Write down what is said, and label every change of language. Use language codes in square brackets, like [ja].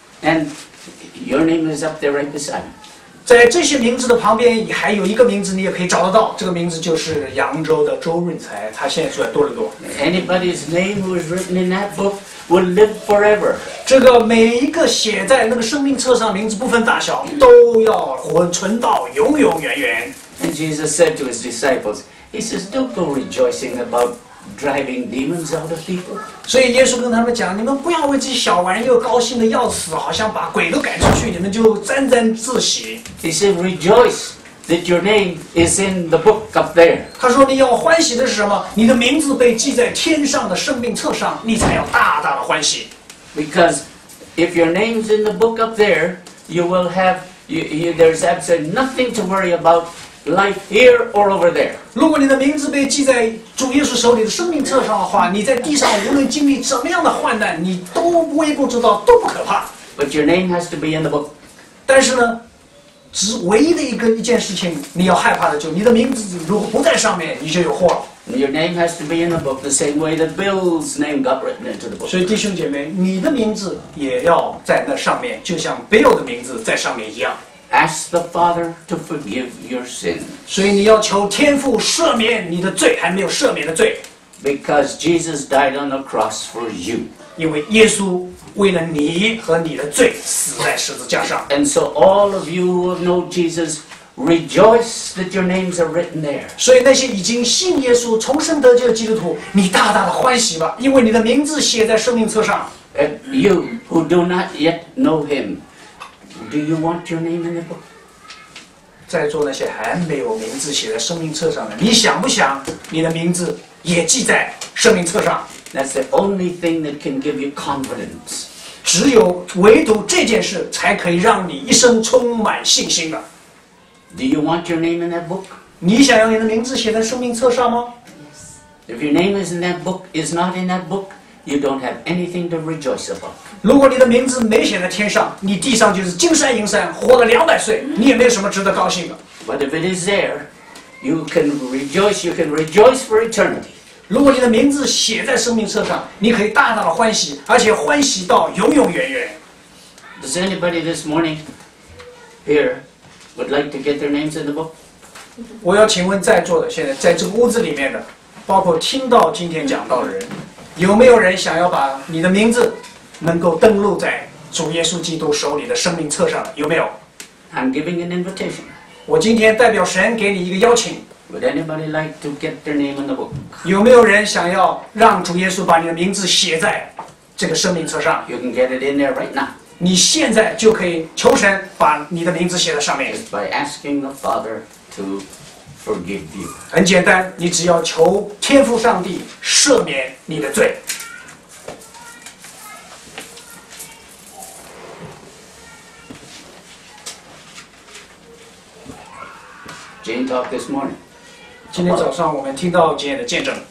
[en] And your name is up there right beside me. [zh] 在这些名字的旁边还有一个名字你也可以找得到，这个名字就是扬州的周润才，他现在住在多伦多。 [en] Anybody's name was written in that book will live forever. [zh] 这个每一个写在那个生命册上名字不分大小都要活存到永永远远。 [en] And Jesus said to his disciples, he says, don't go rejoicing about driving demons out of people. [zh] 所以耶稣跟他们讲，你们不要为这些小玩意高兴的要死，好像把鬼都赶出去，你们就沾沾自喜。 [en] He said, rejoice that your name is in the book up there. [zh] 他说你要欢喜的是什么？你的名字被记在天上的生命册上，你才要大大的欢喜。 [en] Because if your name's in the book up there, you will have there's absolutely nothing to worry about. Life here or over there. [zh] 如果你的名字被记在主耶稣手里的生命册上的话，你在地上无论经历怎么样的患难，你都不会不知道，都不可怕。 [en] But your name has to be in the book. [zh] 但是呢，只唯一的一件事情你要害怕的，就你的名字如果不在上面，你就有祸了。 [en] Your name has to be in the book the same way that Bill's name got written into the book. [zh] 所以弟兄姐妹，你的名字也要在那上面，就像 Bill 的名字在上面一样。 [en] Ask the Father to forgive your sins. [zh] 所以你要求天父赦免你的罪，还没有赦免的罪。 [en] Because Jesus died on the cross for you. [zh] 因为耶稣为了你和你的罪死在十字架上。 [en] And so all of you who know Jesus, rejoice that your names are written there. [zh] 所以那些已经信耶稣、重生得救的基督徒，你大大的欢喜吧，因为你的名字写在生命册上。 [en] And you who do not yet know Him. Do you want your name in the book? [zh] 在座那些还没有名字写在生命册上的，你想不想你的名字也记在生命册上？ [en] That's the only thing that can give you confidence. [zh] 只有唯独这件事才可以让你一生充满信心的。 [en] Do you want your name in that book? [zh] 你想要你的名字写在生命册上吗？ [en] Yes. If your name is in that book, is not in that book. You don't have anything to rejoice about. [zh] 如果你的名字没写在天上，你地上就是金山银山，活了两百岁，你也没有什么值得高兴的。 [en] But if it is there, you can rejoice. You can rejoice for eternity. [zh] 如果你的名字写在生命册上，你可以大大的欢喜，而且欢喜到永永远远。 [en] Does anybody this morning here would like to get their names in the book? [zh] 我要请问在座的，现在在这个屋子里面的，包括听到今天讲到的人。有没有人想要把你的名字能够登录在主耶稣基督手里的生命册上？有没有 [en] ？I'm giving an invitation. [zh] 我今天代表神给你一个邀请。 [en] Would anybody like to get their name in the book? [zh] 有没有人想要让主耶稣把你的名字写在这个生命册上 [en] ？You can get it in there right now. [zh] 你现在就可以求神把你的名字写在上面。 [en] Just by asking the Father to forgive you. [zh] 很简单，你只要求天父上帝赦免你的罪。 [en] Jane talked this morning. [zh] 今天早上我们听到 Jane 的见证。